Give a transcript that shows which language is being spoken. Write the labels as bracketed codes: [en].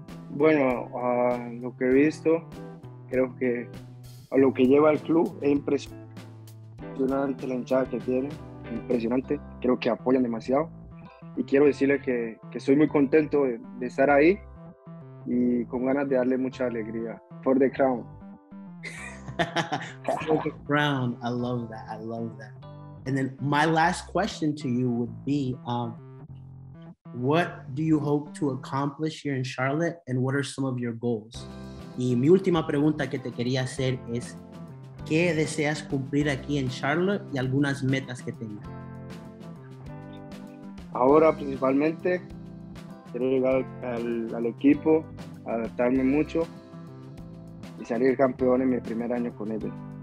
[es] Bueno, lo que he visto, creo que a lo que lleva el club es impresionante la hinchada que tiene, impresionante, creo que apoyan demasiado y quiero decirle que soy muy contento de estar ahí y con ganas de darle mucha alegría. [en] For the crown. For the crown, I love that, I love that. And then my last question to you would be, what do you hope to accomplish here in Charlotte and what are some of your goals? [es] Y mi última pregunta que te quería hacer es, ¿qué deseas cumplir aquí en Charlotte y algunas metas que tengas? Ahora principalmente quiero llegar al equipo, adaptarme mucho y salir campeón en mi primer año con ellos.